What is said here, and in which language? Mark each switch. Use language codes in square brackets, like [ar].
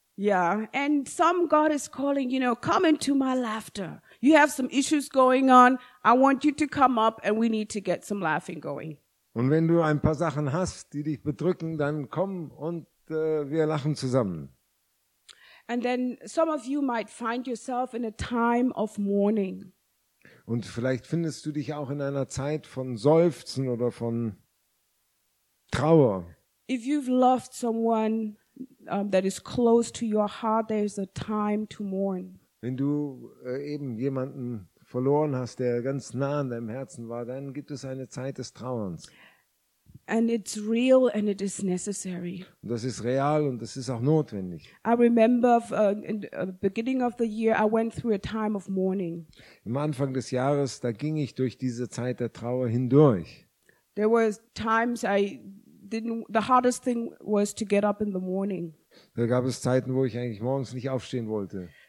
[en] Yeah, and some God is calling, you know, come into my laughter. You have some issues going on. I want you to come up and we need to get some laughing going. [de] Und wenn du ein paar Sachen hast, die dich bedrücken, dann komm und wir lachen zusammen. [en] And then some of you might find yourself in a time of mourning. [de] Und vielleicht findest du dich auch in einer Zeit von Seufzen oder von Trauer. [en] If you've loved someone that is close to your heart, there is a time to mourn. [de] Wenn du eben jemanden verloren hast, der ganz nah an deinem Herzen war, dann gibt es eine Zeit des Trauerns. [en] And it's real and it is necessary. [de] Das ist real und das ist auch notwendig. [en] I remember in the beginning of the year I went through a time of mourning. [de] Am Anfang des Jahres, da ging ich durch diese Zeit der Trauer hindurch. [en] There were times the hardest thing was to get up in the morning. [de] Da gab es Zeiten, wo ich eigentlich morgens nicht aufstehen wollte.